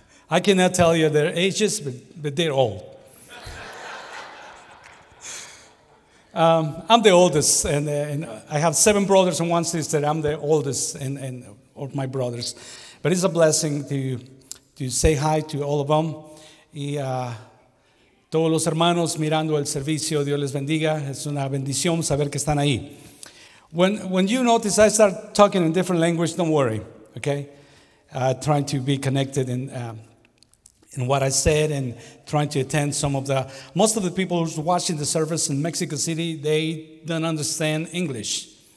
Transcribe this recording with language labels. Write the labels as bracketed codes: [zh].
[en] I cannot tell you their ages, but they're old. I'm the oldest, and I have 7 brothers and 1 sister. I'm the oldest and of my brothers. But it's a blessing to say hi to all of them. [es] Y todos los hermanos mirando el servicio, Dios les bendiga. Es una bendición saber que están ahí. [en] When you notice I start talking in different language, don't worry. Okay, trying to be connected in what I said and trying to attend most of the people who's watching the service in Mexico City, they don't understand English.